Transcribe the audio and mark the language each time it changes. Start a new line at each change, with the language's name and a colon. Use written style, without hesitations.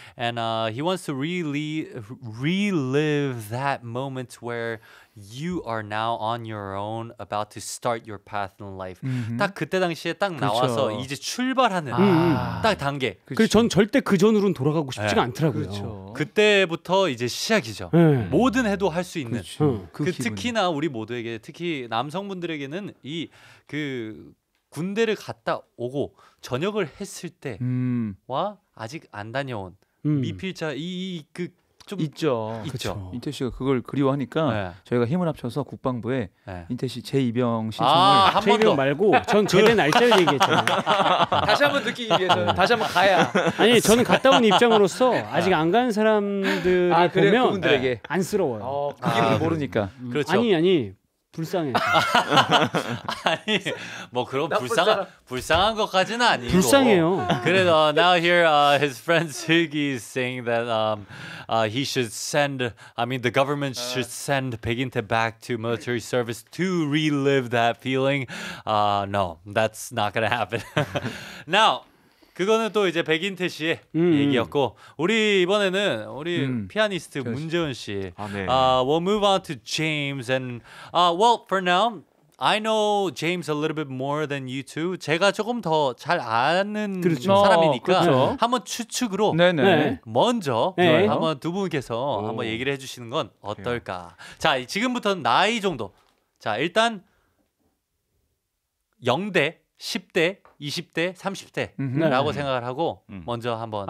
English: And he wants to relive that moment where you are now on your own, about to start your path in life.
Korean: 딱 그때 당시에 딱 그렇죠. 나와서 이제 출발하는 딱 단계. 그리고 전 절대 그 전으로는 돌아가고 싶지가 네. 않더라고요. 그렇죠. 그때부터 이제 시작이죠. 네. 뭐든 해도 할 수 있는. 그렇죠. 그 특히나 우리 모두에게, 특히 남성분들에게는 이 그 군대를 갔다 오고 전역을 했을 때와 아직 안 다녀온 미필자 이 좀 있죠. 인태 씨가 그걸 그리워하니까 네. 저희가 힘을 합쳐서 국방부에 네. 인태 씨 재입영 신청을 한 번 더 말고 전 제대 날짜를 얘기했잖아요. 다시 한번 듣기 위해서 다시 한번 가야. 아니 저는 갔다 온 입장으로서 아직 안 간 사람들이 아, 그래, 보면 그분들에게. 안쓰러워요. 그게 모르니까. 그렇죠. 아니 불쌍해. 아니 뭐 그런 불쌍한 것까지는 아니고 불쌍해요.
English: 그래도 now here his friend Sugi is saying that he should send. I mean the government should send 백인태 back to military service to relive that feeling. No, that's not gonna happen. Now
Korean: 그거는 또 이제 백인태 씨의 얘기였고 우리 이번에는 우리 피아니스트 문재훈 씨. 아, 네.
English: We'll move on to James and well for now I know James a little bit more than you two.
Korean: 제가 조금 더 잘 아는 그렇죠. 사람이니까 그렇죠. 한번 추측으로 네네. 먼저 네. 한번 두 분께서 한번 얘기를 해주시는 건 어떨까? 네. 자 지금부터는 나이 정도. 자 일단 0대, 10대, 20대, 30대라고 생각을 하고 먼저 한번